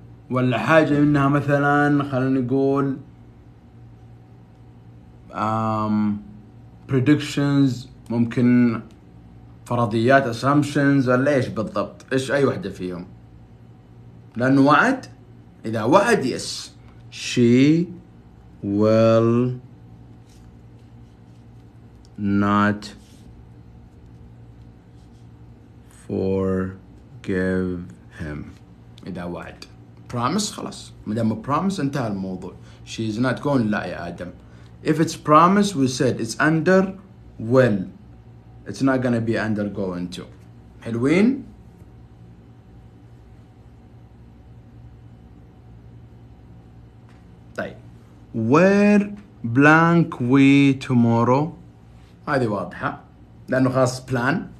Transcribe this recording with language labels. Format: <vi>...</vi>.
<ar>ولا حاجة منها مثلا خلينا نقول predictions، ممكن فرضيات assumptions، ولا ايش بالضبط؟ ايش اي واحدة فيهم؟ لان وعد، اذا وعد يس</ar> <en>she will not forgive him</en> <ar>اذا وعد.</ar> <en>Promise</en> <ar>خلاص، مدام</ar> <en>promise</en> <ar>انتهى الموضوع.</ar> <en>She is not going.</en> <ar>لا يا آدم،</ar> <en>if it's promise we said it's under will. It's not gonna be under going to.</en> <ar>حلوين؟ طيب</ar> <en>where blank we tomorrow؟</en> <ar>هذه واضحة لأنه خلاص plan.</ar>